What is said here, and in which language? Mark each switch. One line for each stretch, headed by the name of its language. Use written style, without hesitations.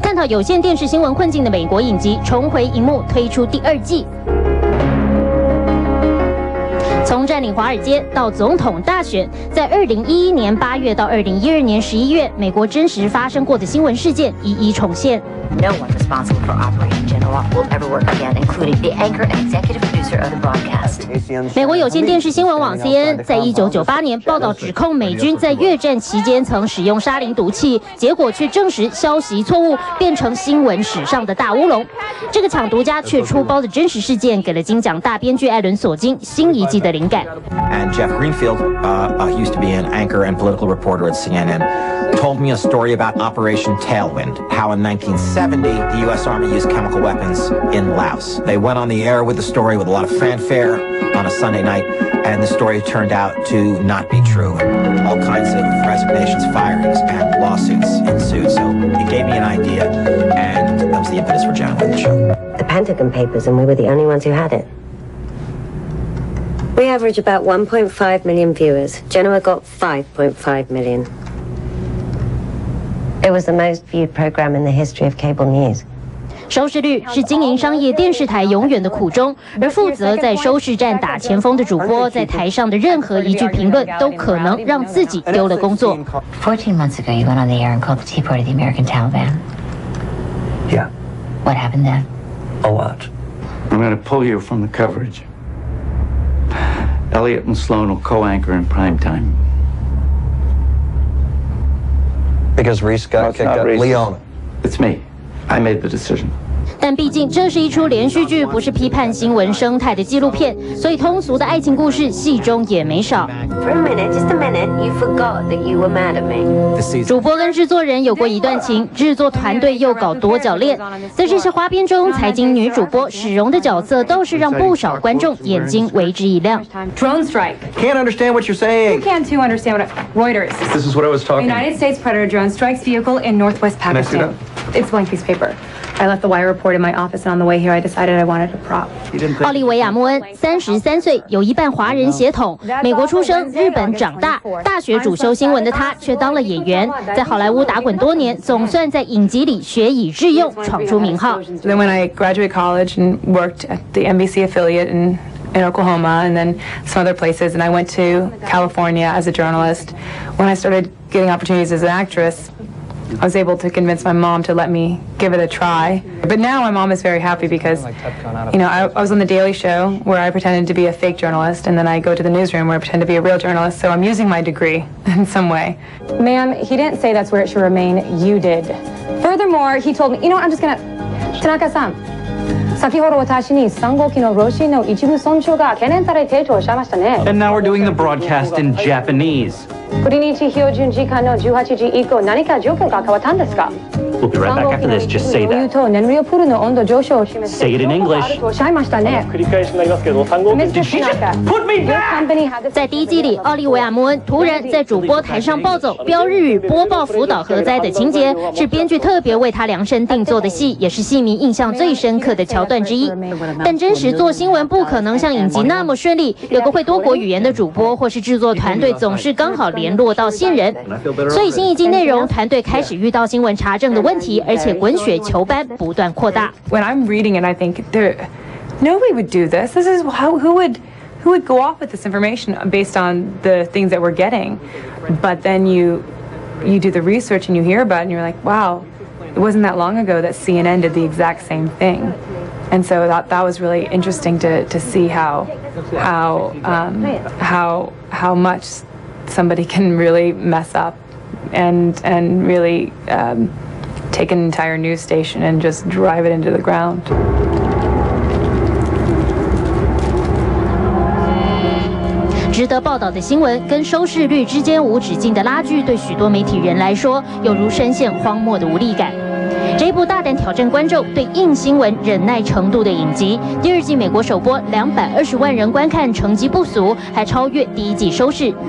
Chinese: 探讨有线电视新闻困境的美国影集重回荧幕，推出第二季。从占领华尔街到总统大选，在2011年8月到2012年11月，美国真实发生过的新闻事件一一重现。
English: No one responsible for Operation Genoa will ever work again, including the anchor and executive producer of the broadcast.
Chinese: 美国有线电视新闻网 CNN 在1998年报道指控美军在越战期间曾使用沙林毒气，结果却证实消息错误，变成新闻史上的大乌龙。这个抢独家却出包的真实事件，给了金奖大编剧艾伦·索金新一季的灵感。
English: And Jeff Greenfield, used to be an anchor and political reporter at CNN. Told me a story about Operation Tailwind, how in 1970 the U.S. Army used chemical weapons in Laos. They went on the air with the story with a lot of fanfare on a Sunday night, and the story turned out to not be true. All kinds of resignations, firings, and lawsuits ensued. So it gave me an idea, and that was the impetus for Janet on the show. The Pentagon Papers, and we were the only ones who had it. We average about 1.5 million viewers. Genoa got 5.5 million. It was the most viewed program in the history of cable news.
Chinese: 收视率是经营商业电视台永远的苦衷，而负责在收视站打前锋的主播，在台上的任何一句评论都可能让自己丢了工作。
English: 14 months ago, you went on the air and called the Tea Party the American Taliban. Yeah. What happened then? A lot. I'm going to pull you from the coverage. Elliot and Sloan will co-anchor in prime time. Because Reese got kicked out. Leon, it's me. I made the decision.
Chinese: 但毕竟这是一出连续剧，不是批判新闻生态的纪录片，所以通俗的爱情故事戏中也没少。
English: For a minute, just a minute, you forgot that you were mad at me.
Chinese: 主播跟制作人有过一段情，制作团队又搞多角恋，在这些花边中，财经女主播史荣的角色倒是让不少观众眼睛为之一亮。
English: Drone strike. Can't understand what you're saying. You can too understand what I... Reuters. This is what I was talking. United States Predator drone strikes vehicle in northwest Pakistan. Can I see that? It's blank piece paper. I left the wire report in my office, and on the way here, I decided I wanted a prop.
Chinese: 奥利维亚·莫恩，33岁，有一半华人血统，美国出生，日本长大，大学主修新闻的他，却当了演员，在好莱坞打滚多年，总算在影集里学以致用，闯出名号。
English: Then when I graduated college and worked at the NBC affiliate and. In Oklahoma and then some other places, and I went to California as a journalist. When I started getting opportunities as an actress, I was able to convince my mom to let me give it a try. But now my mom is very happy because, you know, I was on The Daily Show where I pretended to be a fake journalist, and then I go to the newsroom where I pretend to be a real journalist, so I'm using my degree in some way. Ma'am, he didn't say that's where it should remain. You did. Furthermore, he told me, you know what, I'm just gonna, Tanaka-san.
Japanese: 先ほど私に3号機のロシアの一部損傷が懸念されているとおっしゃいましたね。
English: And now we're doing the broadcast in Japanese.
Japanese: クリニチ標準時間の18時以降何か状況が変わったんですか
English: ？We'll be right back after this. Just say that.
Japanese: 理由と燃料プールの温度上昇を示す。
English: Say it in English.
Japanese: おっしゃいましたね。繰り返しになりますけど、3号機。
English: Did she just put me back？
Chinese: 在第一季里，奥利维亚·莫恩突然在主播台上暴走，飙日语，播报福岛核灾的情节，是编剧特别为他量身定做的戏，也是戏迷印象最深刻的桥段。之一，但真实做新闻不可能像影集那么顺利。有个会多国语言的主播或是制作团队，总是刚好联络到线人。所以新一季内容，团队开始遇到新闻查证的问题，而且滚雪球般不断扩大。
English: When I'm reading it, I think there nobody would do this. This is how who would go off with this information based on the things that we're getting. But then you do the research and you hear about it and you're like, wow, it wasn't that long ago that CNN did the exact same thing. And so that was really interesting to see how much somebody can really mess up and really take an entire news station and just drive it into the ground.
Chinese: 值得报道的新闻跟收视率之间无止境的拉锯，对许多媒体人来说，有如深陷荒漠的无力感。这部大胆挑战观众对硬新闻忍耐程度的影集，第二季美国首播，220万人观看，成绩不俗，还超越第一季收视。